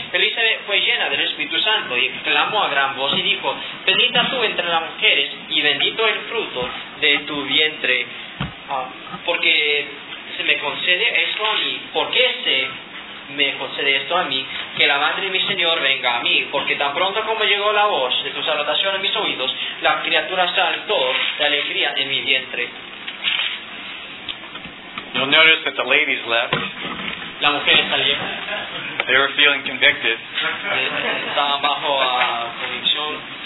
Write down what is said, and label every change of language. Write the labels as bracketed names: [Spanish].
[Spanish] Elizabeth fue llena del Espíritu Santo y clamó a gran voz y dijo, bendita tú entre las mujeres y bendito el fruto de tu vientre, porque se me concede esto a mí, porque se me concede esto a mí, que la madre de mi Señor venga a mí, porque tan pronto como llegó la voz de tu salutación a mis oídos, la criatura saltó de alegría en mi vientre. [English] You'll notice that the ladies left. [Spanish] La mujer salió. [English] They were feeling convicted. [Spanish] Estaban bajo convicción.